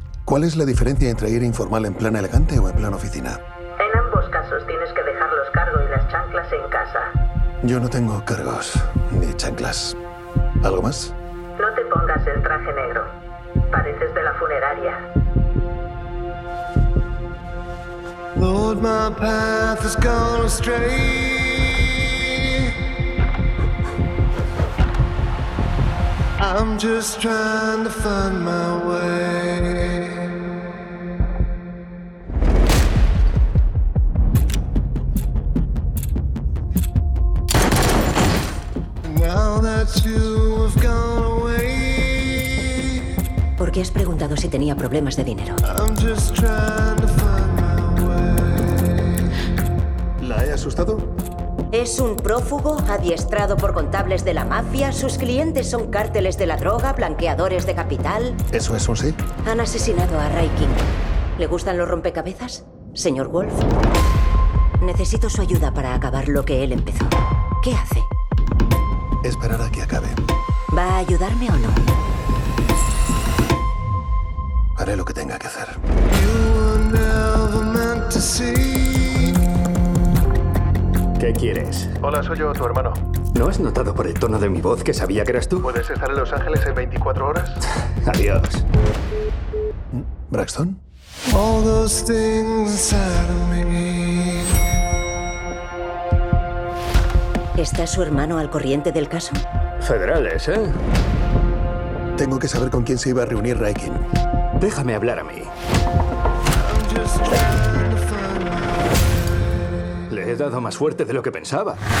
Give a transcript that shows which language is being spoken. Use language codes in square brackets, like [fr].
[es] ¿Cuál es la diferencia entre ir informal en plan elegante o en plan oficina? En ambos casos tienes que dejar los cargos y las chanclas en casa. Yo no tengo cargos ni chanclas. ¿Algo más? No te pongas el traje negro. Pareces de la funeraria. [en] Lord, my path has gone astray. I'm just trying to find my way. Now that you have gone away. [es] ¿Por qué has preguntado si tenía problemas de dinero? [en] I'm just trying to find my way. [es] ¿La he asustado? Es un prófugo adiestrado por contables de la mafia. Sus clientes son cárteles de la droga, blanqueadores de capital. Eso es un sí. Han asesinado a Ray King. ¿Le gustan los rompecabezas, señor Wolf? Necesito su ayuda para acabar lo que él empezó. ¿Qué hace? Esperar a que acabe. ¿Va a ayudarme o no? Haré lo que tenga que hacer. [en] You were never meant to see. [es] ¿Qué quieres? Hola, soy yo, tu hermano. ¿No has notado por el tono de mi voz que sabía que eras tú? ¿Puedes estar en Los Ángeles en 24 horas? Adiós. ¿Braxton? [en] All those things out of me. [es] ¿Está su hermano al corriente del caso? Federales, ¿eh? Tengo que saber con quién se iba a reunir Raikin. Déjame hablar a mí. Le he dado más fuerte de lo que pensaba.